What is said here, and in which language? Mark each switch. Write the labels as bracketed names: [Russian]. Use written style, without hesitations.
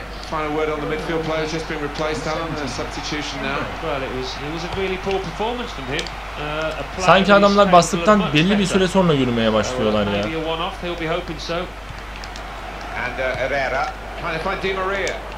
[English] Final word on the midfield player has just been replaced. Alan, the substitution now. Well, it was a really poor performance from him. [Turkish] Sanki adamlar bastıktan belli bir süre sonra yürümeye başlıyorlar ya. [English] And Herrera trying to find Di Maria.